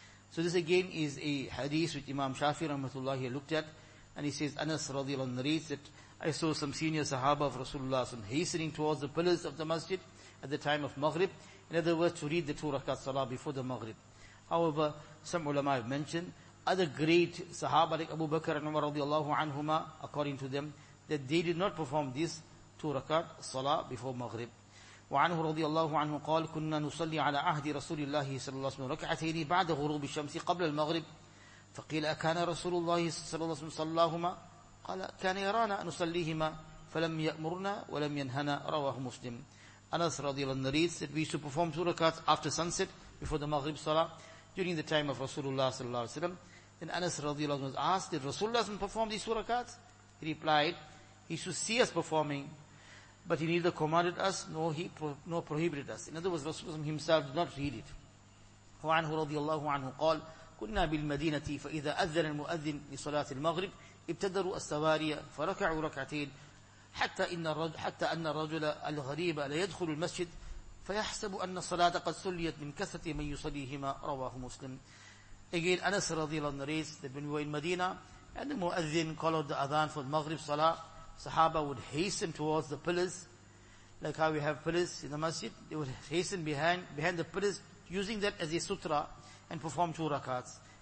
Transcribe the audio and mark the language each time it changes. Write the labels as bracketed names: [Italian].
[English] So this again is a hadith which Imam Shafi rahmatullahi looked at, and he says, Anas radiallahu anhu narrates that I saw some senior sahaba of Rasulullah some hastening towards the pillars of the masjid at the time of Maghrib, in other words, to read the two rakat salah before the Maghrib. However, some ulama have mentioned other great sahaba like Abu Bakr and Umar radiallahu anhuma, according to them, that they did not perform this two rakat salah before Maghrib. [Arabic] وعنه رضي الله عنه قال كنا نصلي على عهد رسول الله صلى الله عليه وسلم ركعتين بعد غروب الشمس قبل المغرب فقيل أكان رسول الله صلى الله عليه وسلم صلاهما قال كان يرانا نصليهما فلم يأمرنا ولم ينهنا رواه مسلم. [English] Anas [Arabic] رضي الله عنه [English] reads that we used to perform two rakats after sunset before the Maghrib Salah during the time of Rasulullah [Arabic] صلى الله عليه وسلم. [English] Then Anas [Arabic] رضي الله عنه [English] was asked, did Rasulullah [Arabic] صلى الله عليه وسلم [English] perform these two rakats? He replied, he should see us performing, but he neither commanded us nor he nor prohibited us. In other words, Rasulullah himself did not read it. [Arabic] وعنه رضي الله عنه قال كنا بالمدينة فإذا أذن المؤذن لصلاة المغرب ابتدروا السواري فركعوا ركعتين حتى أن الرجل الغريب لا يدخل المسجد فيحسب أن الصلاة قد سليت من كثرة من يصليهما رواه مسلم. [English] Again, Anas [Arabic] رضي الله عنه [English] narrates that when we were in Medina and the مؤذن called the Adhan for the Maghrib Salah, Sahaba would hasten towards the pillars, like how we have pillars in the masjid. They would hasten behind the pillars, using that as a sutra, and perform two rakats.